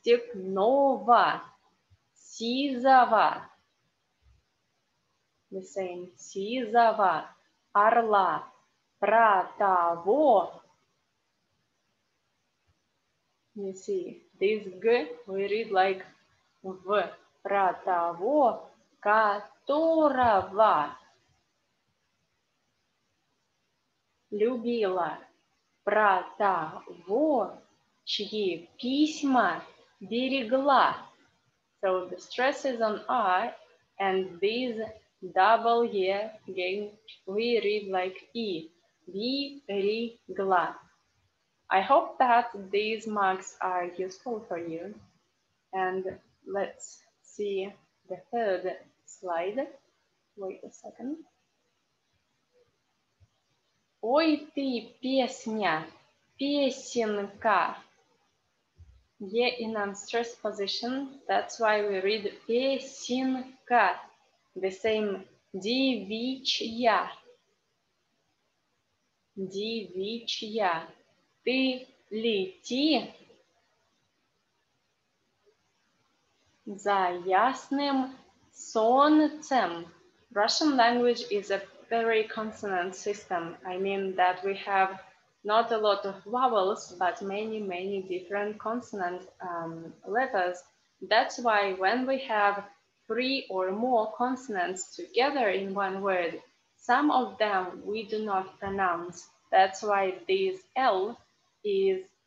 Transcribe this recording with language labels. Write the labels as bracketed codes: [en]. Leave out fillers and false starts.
[ru] Степного. Сизова. [en] The same. [ru] Сизова. Орла. Про того. [en] You see, this г we read like в. [ru] Про того, которого любила. Про того, чьи письма берегла. [en] So the stress is on I, and this double E again we read like E. [ru] Берегла. [en] I hope that these marks are useful for you. And let's see the third slide. Wait a second. [ru] Ой, ты песня, песенка. [en] Е in unstressed position, that's why we read песенка. The same девичья. [ru] Девичья. Ты лети за ясным солнцем. [en] Russian language is a very consonant system. I mean that we have not a lot of vowels, but many, many different consonant letters. That's why when we have three or more consonants together in one word, some of them we do not pronounce. That's why this L is